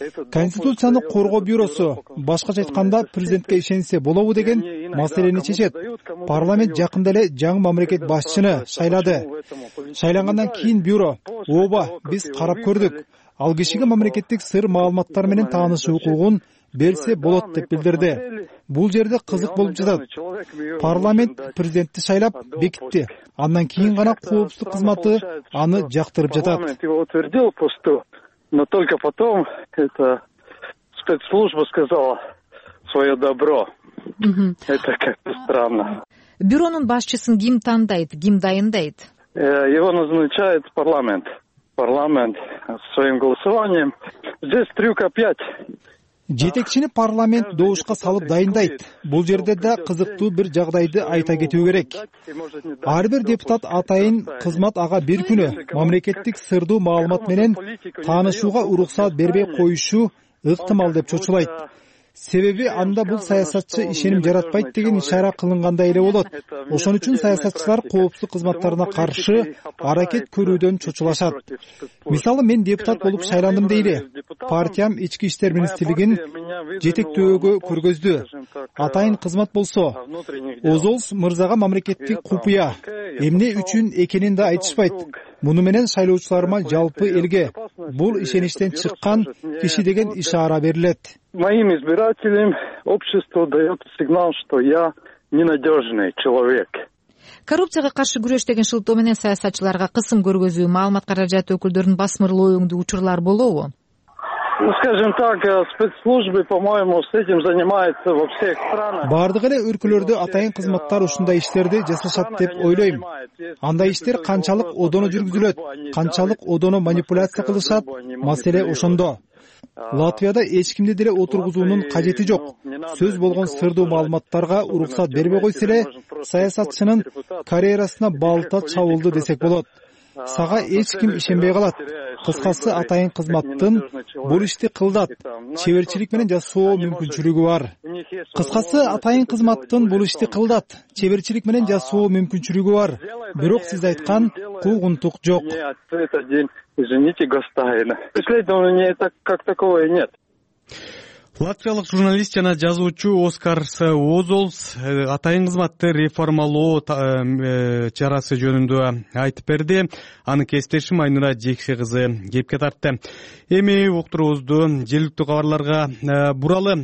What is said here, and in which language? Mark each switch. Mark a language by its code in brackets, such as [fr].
[ky] Конституцияны коргоо бюросу, башкача айтканда, президентке ишенсе болобу деген маселени чечет. Парламент жакында эле жаңы мамлекет башчыны шайлады. Шайлангандан кийин бюро: «Ооба, биз карап көрдүк. Ал кишиге мамлекеттик сыр маалыматтар менен таанышуу укугун берсе болот» деп билдирди. Бул жерде кызык болуп жатат. Парламент президентти шайлап бекитти. Андан кийин гана коопсуздук кызматы аны жактырып жатат. [ru] Но только потом это спецслужба сказала свое добро. Это как-то странно. [ky] Бюронун башчысын ким тандайт, ким дайындайт? [ru] Его назначает парламент. Парламент своим голосованием. Здесь трюк опять. [ky] Жетекчини парламент доошко салып дайындайт. Бул жерде да кызыктуу бир жагдайды айта кетүү керек. Ар бир депутат атайын кызмат ага бир күнү мамлекеттик сырдуу маалымат менен таанышууга уруксат бербей коюшу ыктымал деп чочулайт. Себеби анда бул саясатчы ишеним жаратпайт деген ишара кылынгандай эле болот. Ошон үчүн саясатчылар коопсуздук кызматтарына каршы аракет көрүүдөн чочулашат. Мисалы, мен депутат болуп шайландым дейли. Партиям ички иштер министрлигин жетектөөгө көргөздү. Атайын кызмат болсо, Озолс мырзага мамлекеттик купуя эмне үчүн экенин да айтышпайт. Муну менен шайлоочуларыма жалпы элге бул ишеничтен чыккан киши деген ишара берилет. [ru] Моим избирателям общество дает сигнал, что я ненадежный человек. [ky] Коррупцияга каршы күрөш деген шылтоо менен саясатчыларга кысым көргөзүү, маалымат каражаты өкүлдөрүн басмырлоо өңдүү учурлар болобу? [ru] Ну, скажем так, спецслужбы, по-моему, с этим занимаются во всех странах. [ky] Бардык эле өлкөлөрдө атайын кызматтар ушундай иштерди жасашат деп ойлойм. Андай иштер канчалык одоно жүргүзүлөт, канчалык одоно манипуляция кылышат, маселе ошондо. Латвияда эч кимди деле отургузуунун кажети жок. Сөз болгон сырдуу маалыматтарга уруксат бербей койсо эле саясатчынын карьерасына балта чабылды десек болот. Сага эч ким ишенбей калат. Кыскасы, атайын кызматтын бул ишти кылдат, чеберчилик менен жасоо мүмкүнчүлүгү бар. Кыскасы, атайын кызматтын бул ишти кылдат, чеберчилик менен жасоо мүмкүнчүлүгү бар. Бирок сиз айткан куугунтук жок. [ru] Извините, гостайна. Последнего у меня как такого и нет. Латвиялык журналист жана жазуучу Оскар Озолс атайын кызматты реформалоо чарасы жөнүндө айтып берди. Анын кесиптешим Айнура Жекши кызы кепке тартты. Эми уктуруубузду жергиликтүү кабарларга буралы.